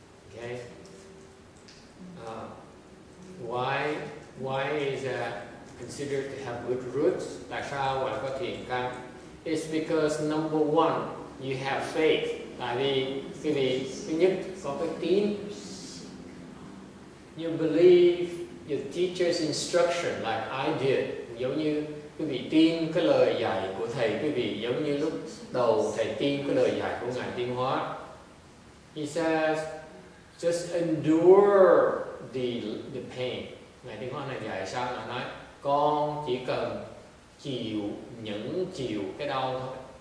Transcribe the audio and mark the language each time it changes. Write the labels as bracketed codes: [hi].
[en] Okay, why is that considered to have good roots? [vi] Tại sao gọi là có thiền căn? [en] It's because number one, you have faith. [vi] Tại vì quý vị thứ nhất có cái tín. [en] You believe your teacher's instruction like I did. [vi] Giống như quý vị tin cái lời dạy của thầy, quý vị giống như lúc đầu thầy tin cái lời dạy của Ngài Tiên Hóa. [en] He says, just endure the pain. [vi] Ngài Tiên Hóa này dạy sao? Ngài nói, con chỉ cần nhẫn chịu cái đau thôi.